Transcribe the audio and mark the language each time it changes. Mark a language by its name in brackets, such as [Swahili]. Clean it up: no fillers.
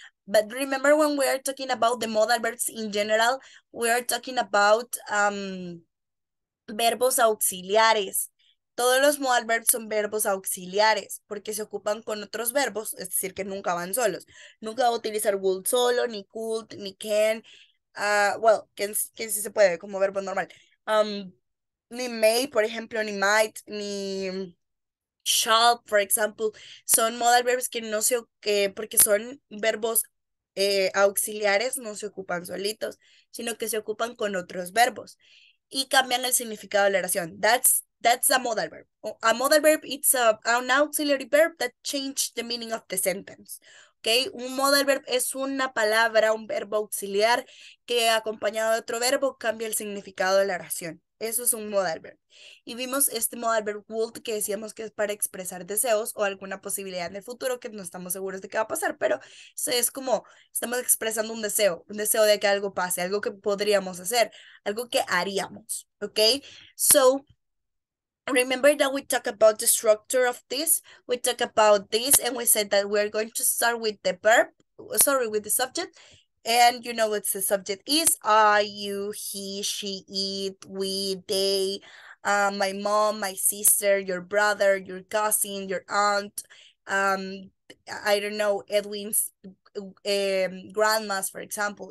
[English] But remember when we are talking about the modal verbs in general, we are talking about [Spanish] verbos auxiliares. Todos los modal verbs son verbos auxiliares porque se ocupan con otros verbos, es decir, que nunca van solos. Nunca va a utilizar would solo, ni could, ni can. Well, can sí se puede como verbo normal. Ni may, por ejemplo, ni might, ni shall, [English] for example. [Spanish] Son modal verbs que no se porque son verbos auxiliares, no se ocupan solitos, sino que se ocupan con otros verbos y cambian el significado de la oración. [English] That's a modal verb. A modal verb, it's an auxiliary verb that changes the meaning of the sentence. Okay? [Spanish] Un modal verb es una palabra, un verbo auxiliar que acompañado de otro verbo cambia el significado de la oración. Eso es un modal verb. Y vimos este modal verb would que decíamos que es para expresar deseos o alguna posibilidad en el futuro que no estamos seguros de qué va a pasar, pero es como estamos expresando un deseo de que algo pase, algo que podríamos hacer, algo que haríamos. [English] Okay? So, remember that we talk about the structure of this. We talk about this and we said that we're going to start with the verb. Sorry, with the subject. And you know what the subject is. I, you, he, she, it, we, they, my mom, my sister, your brother, your cousin, your aunt, I don't know, Edwin's grandmas, for example.